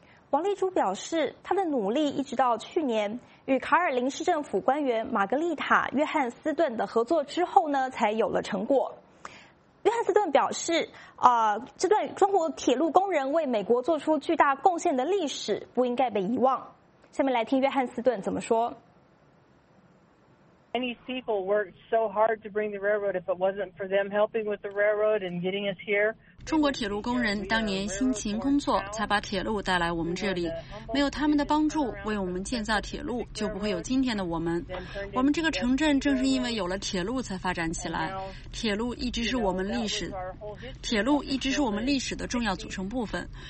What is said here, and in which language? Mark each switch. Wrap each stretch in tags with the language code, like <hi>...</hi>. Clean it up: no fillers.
<zh>王丽珠表示，他的努力一直到去年与卡尔林市政府官员玛格丽塔·约翰斯顿的合作之后呢，才有了成果。约翰斯顿表示，这段中国铁路工人为美国做出巨大贡献的历史不应该被遗忘。下面来听约翰斯顿怎么说。</zh> <en>Many people worked so hard to bring the railroad. If it wasn't for them helping with the railroad and getting us here,</en> <zh>中国铁路工人当年辛勤工作，才把铁路带来我们这里。没有他们的帮助，为我们建造铁路，就不会有今天的我们。我们这个城镇正是因为有了铁路才发展起来。铁路一直是我们历史，铁路一直是我们历史的重要组成部分。</zh>